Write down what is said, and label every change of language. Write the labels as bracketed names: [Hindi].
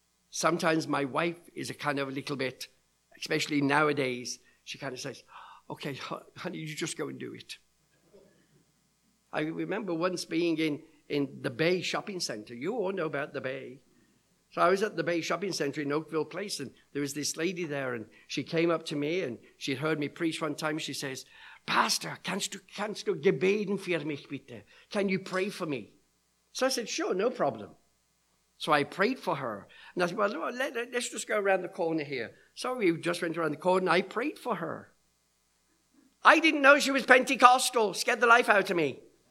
[English] Sometimes my wife is a kind of a little bit, especially nowadays, she kind of says, okay, honey, you just go and do it. I remember once being in the Bay Shopping Center. You all know about the Bay. So I was at the Bay Shopping Center in Oakville Place, and there was this lady there, and she came up to me, and she'd heard me preach one time. She says, [German] "Pastor, kannst du gebeten für mich bitte? [English] Can you pray for me?" So I said, "Sure, no problem." So I prayed for her. And I said, "Well, let's just go around the corner here." So we just went around the corner, and I prayed for her. I didn't know she was Pentecostal. Scared the life out of me.